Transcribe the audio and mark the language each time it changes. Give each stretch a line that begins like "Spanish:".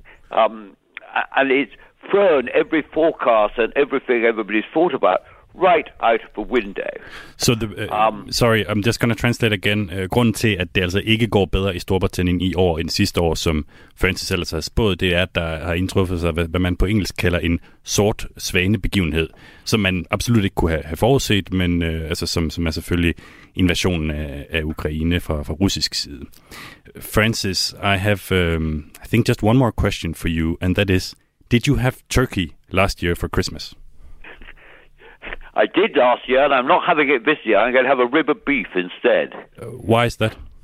English: And it's thrown every forecast and everything everybody's thought about right out of the window. So the I'm just going to translate again.
Danish: Grunden til, at det altså ikke går bedre i Storbritannien i år end sidste år, som Francis ellers har spået, det er, at der har indtruffet sig, hvad man på engelsk kalder en sort svanebegivenhed, som man absolut ikke kunne have forudset, men som er selvfølgelig invasionen af Ukraine fra russisk side.
English: Francis, I have, I think, just one more question for you, and that is, did you have turkey last year for Christmas? I did last year, and I'm not having it this year. I'm going to have a rib of beef instead. Why is that?